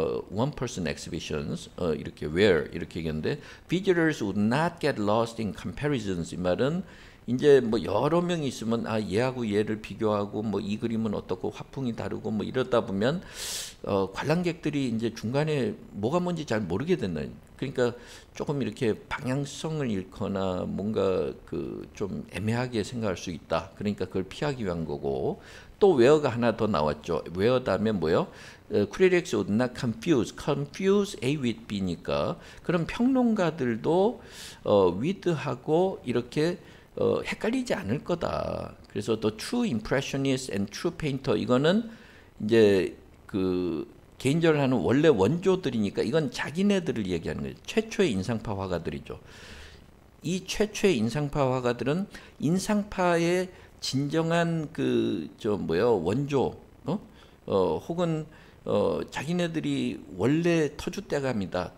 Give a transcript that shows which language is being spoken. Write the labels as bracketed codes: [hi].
[en] One person exhibitions [ko] 이렇게 wear 이렇게 얘기했는데 [en] visitors would not get lost in comparisons [ko] 이 말은 이제 뭐 여러 명이 있으면 아 얘하고 얘를 비교하고 뭐 이 그림은 어떻고 화풍이 다르고 뭐 이러다 보면 관람객들이 이제 중간에 뭐가 뭔지 잘 모르게 되는 그러니까 조금 이렇게 방향성을 잃거나 뭔가 그 좀 애매하게 생각할 수 있다 그러니까 그걸 피하기 위한 거고 또 웨어가 하나 더 나왔죠 웨어 다음에 뭐요? [en] Critics would not confuse, confuse A with B [ko] 니까 그럼 평론가들도 with하고 이렇게 헷갈리지 않을 거다. 그래서 [en] the true impressionist and true painter [ko] 이거는 이제 그 개인전을 하는 원래 원조들이니까 이건 자기네들을 얘기하는 거예요. 최초의 인상파 화가들이죠. 이 최초의 인상파 화가들은 인상파의 진정한 그 저 뭐야 원조 혹은 자기네들이 원래 터줏대감이다.